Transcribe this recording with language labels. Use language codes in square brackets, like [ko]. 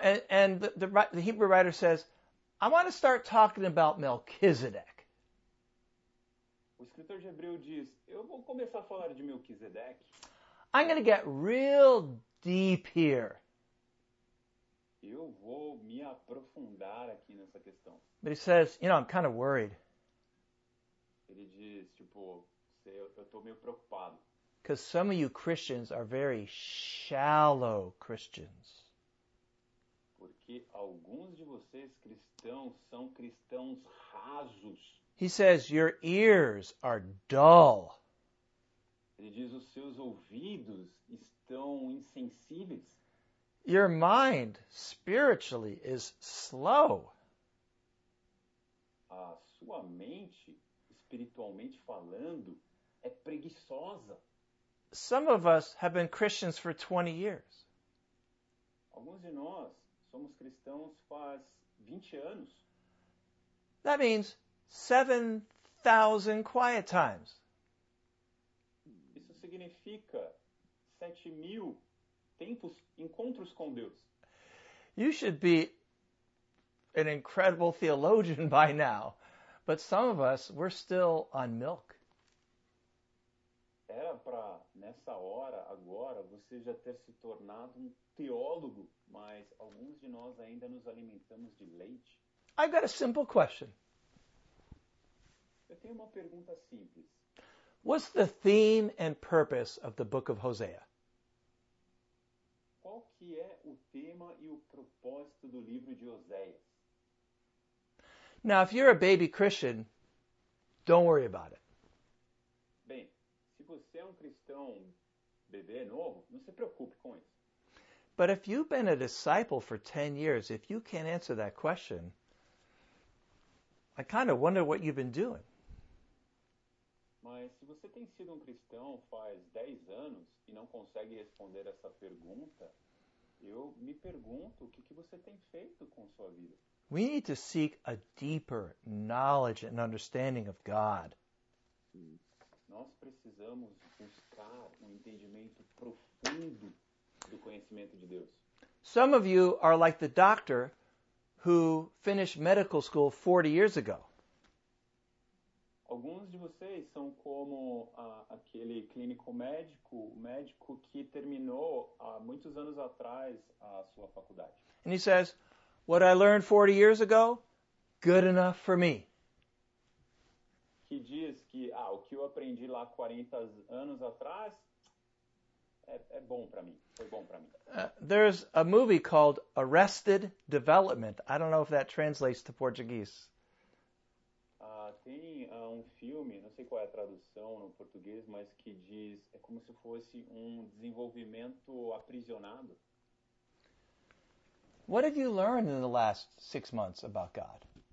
[en] And the Hebrew writer says, I want to start talking about Melchizedek. [pt] O escritor de Hebreu diz, eu vou começar a falar de Melquisedeque. [en] I'm going to get real deep here. [pt] Eu vou me aprofundar aqui nessa questão. [en] But he says, you know, I'm kind of worried. [pt] Ele diz, tipo, eu tô meio preocupado. [en] Because some of you Christians are very shallow Christians. [pt] Porque alguns de vocês cristãos são cristãos rasos. [en] He says, your ears are dull. [pt] Ele diz, os seus ouvidos estão insensíveis. [en] Your mind, spiritually, is slow. [pt] A sua mente, espiritualmente falando, é preguiçosa. [en] Some of us have been Christians for 20 years. [pt] Alguns de nós somos cristãos faz 20 anos. [en] That means 7,000 quiet times. [pt] Isso significa 7,000 tempos, encontros com Deus. [en] You should be an incredible theologian by now, but some of us, we're still on milk. [pt] Era para nessa hora, agora, você já ter se tornado um teólogo, mas alguns de nós ainda nos alimentamos de leite. [en] I've got a simple question. [pt] Eu tenho uma pergunta simples. [en] What's the theme and purpose of the book of Hosea? [pt] Que é o tema e o propósito do livro de Oséias. [en] Now, if you're a baby Christian, don't worry about it. [pt] Bem, se você é um cristão bebê novo, não se preocupe com isso. [en] But if you've been a disciple for 10 years, if you can't answer that question, I kind of wonder what you've been doing. [pt] Mas se você tem sido cristão faz 10 anos e não consegue responder essa pergunta, eu me pergunto o que você tem feito com sua vida. [en] We need to seek a deeper knowledge and understanding of God. [pt] Nós precisamos buscar um entendimento profundo do conhecimento de Deus. [en] Some of you are like the doctor who finished medical school 40 years ago. [pt] Alguns de vocês são como aquele clínico médico, médico que terminou há muitos anos atrás a sua faculdade. [en] And he says, what I learned 40 years ago, good enough for me. [pt] Que diz que o que eu aprendi lá 40 anos atrás é bom para mim, foi bom para mim. [en] There's a movie called Arrested Development. I don't know if that translates to Portuguese. [pt] Tem um filme, não sei qual é a tradução no português, mas que diz, é como se fosse um desenvolvimento aprisionado. [en] What have you learned in the last 6 months about God?